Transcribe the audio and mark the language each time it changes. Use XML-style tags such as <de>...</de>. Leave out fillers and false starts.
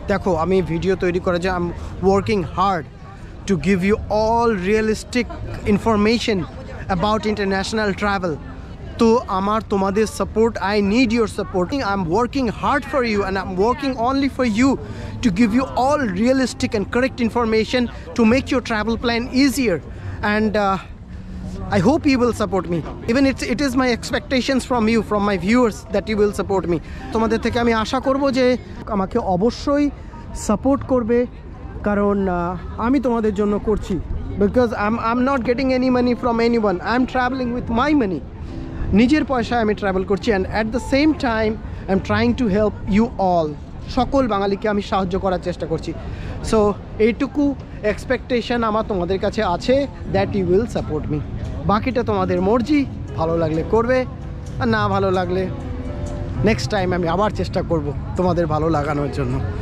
<bn>দেখো আমি ভিডিও তৈরি করে যে</bn> <en>I am working hard to give you all realistic information about international travel,</en> <bn>তো আমার তোমাদের support,</bn> <en>I need your support, I am working hard for you, and I am working only for you to give you all realistic and correct information to make your travel plan easier, and I hope you will support me. Even it is my expectations from you, from my viewers, that you will support me.</en> <bn>তোমাদের থেকে আমি আশা করব যে আমাকে অবশ্যই support করবে, কারণ আমি তোমাদের জন্য করছি,</bn> <en>because I am not getting any money from anyone, I am travelling with my money,</en> <bn>নিজের পয়সায় আমি ট্রাভেল করছি,</bn> <en>And at the same time I'm trying to help you all.</en> <bn>সকল বাঙালিকে আমি সাহায্য করার চেষ্টা করছি।</bn> <en>So এইটুকু expectation</en> <bn>আমার তোমাদের কাছে আছে</bn> <en>that you will support me.</en> <bn>বাকিটা তোমাদের মর্জি, ভালো লাগলে করবে আর না ভালো লাগলে next time আমি আবার চেষ্টা করব তোমাদের ভালো লাগানোর জন্য।</bn>